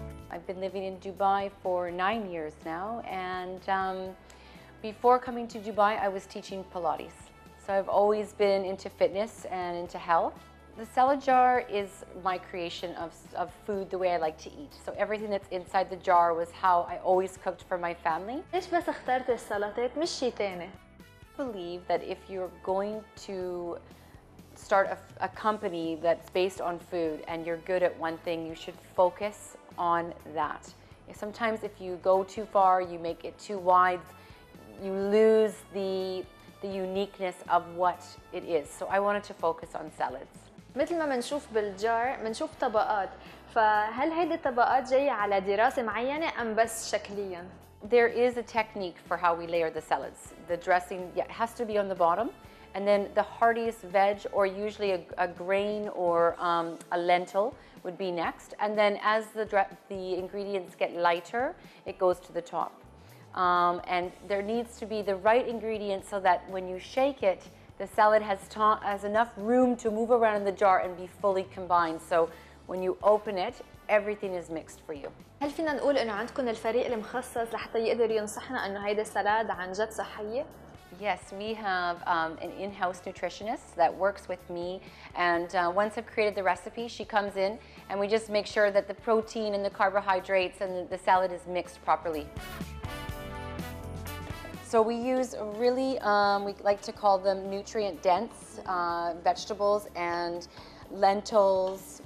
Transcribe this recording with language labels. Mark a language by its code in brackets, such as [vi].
[en] I've been living in Dubai for 9 years now and before coming to Dubai I was teaching Pilates. So I've always been into fitness and into health. The salad jar is my creation of food the way I like to eat. So everything that's inside the jar was how I always cooked for my family. [ar] ليش بس اخترت السلطات مش شيء ثاني؟ [en] I believe that if you're going to start a company that's based on food and you're good at one thing, you should focus on that. Sometimes if you go too far, you make it too wide, you lose the uniqueness of what it is. So I wanted to focus on salads. [ar] مثل ما منشوف بالجار منشوف طبقات، فهل هيدي الطبقات جاية على دراسة معينة أم بس شكليا؟ [en] There is a technique for how we layer the salads. The dressing has to be on the bottom and then the heartiest veg or usually a grain or a lentil would be next. And then as the ingredients get lighter, it goes to the top. And there needs to be the right ingredient so that when you shake it, the salad has enough room to move around in the jar and be fully combined. So when you open it, everything is mixed for you. [ar] هل فينا نقول إنه عندكم الفريق المخصص لحتى يقدر ينصحنا إنه هيدا السلاد عن جد صحية؟ [en] Yes, we have an in-house nutritionist that works with me, and once I've created the recipe, she comes in and we just make sure that the protein and the carbohydrates and the salad is mixed properly. So we use really, we like to call them nutrient-dense vegetables and lentils.